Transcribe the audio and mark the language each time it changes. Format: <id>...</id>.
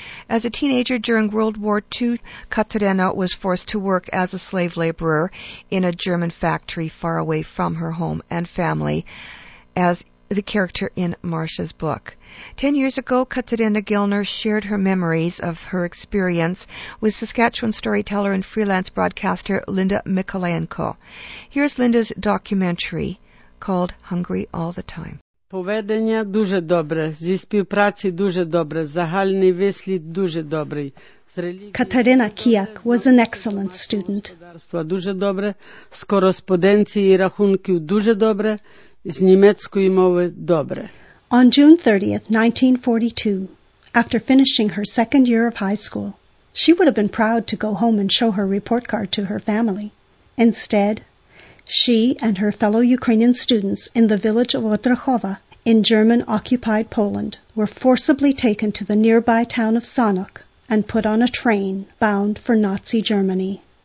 <en>As a teenager during World War II, Katerina was forced to work as a slave laborer in a German factory far away from her home and family, as the character in Marcia's book. 10 years ago, Katerina Gellner shared her memories of her experience with Saskatchewan storyteller and freelance broadcaster Linda Mikolayenko. Here's Linda's documentary called Hungry All the Time.</en> <uk>Поведення дуже добре. Зі співпраці дуже добре. Загальний вислід дуже добрий.</uk> <en>Katerina Kijak was an excellent student.</en> <uk>Дуже добре. З кореспонденції і рахунків дуже добре. З німецької мови добре.</uk> <en>On June 30, 1942, after finishing her second year of high school, she would have been proud to go home and show her report card to her family. Instead, she and her fellow Ukrainian students in the village of Otrachowa in German-occupied Poland were forcibly taken to the nearby town of Sanok and put on a train bound for Nazi Germany.</en>